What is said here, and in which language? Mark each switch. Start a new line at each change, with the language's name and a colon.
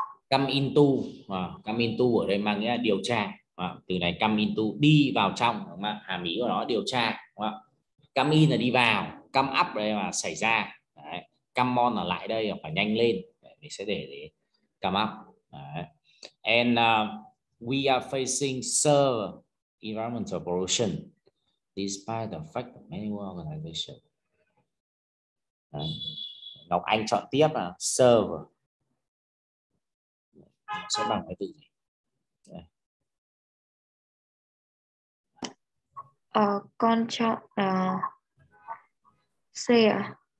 English: come into.
Vietnamese: Come into ở đây mang nghĩa điều tra. Từ này come into, đi vào trong, đúng không? Hàm ý của nó điều tra, đúng không? Come in là đi vào, come up đây là xảy ra. Đấy. Come on là lại đây, phải nhanh lên. Đấy. Mình sẽ để come up. Đấy.
English: And we are facing severe environmental pollution despite the fact that many world organizations.
Vietnamese: Ngọc Anh chọn tiếp là serve. Sẽ bằng cái từ gì? Con chọn C à?